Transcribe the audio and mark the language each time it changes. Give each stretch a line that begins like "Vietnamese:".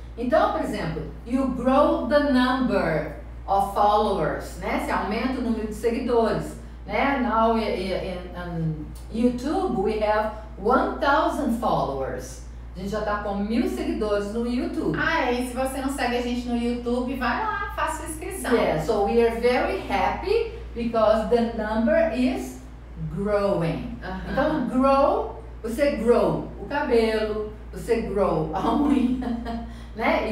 Portuguese: Então, por exemplo,
English: you grow the number of followers. Né?
Portuguese: Você aumenta o número de seguidores. Né?
English: Now, in YouTube, we have 1,000 followers.
Portuguese: A gente já tá com 1,000 seguidores no YouTube. Ah, e se você não segue a gente no YouTube, vai lá, faz sua inscrição.
English: Yeah, so we are very happy because the number is growing. Uh-huh.
Portuguese: Então, grow, você grow o cabelo, você grow a unha, né?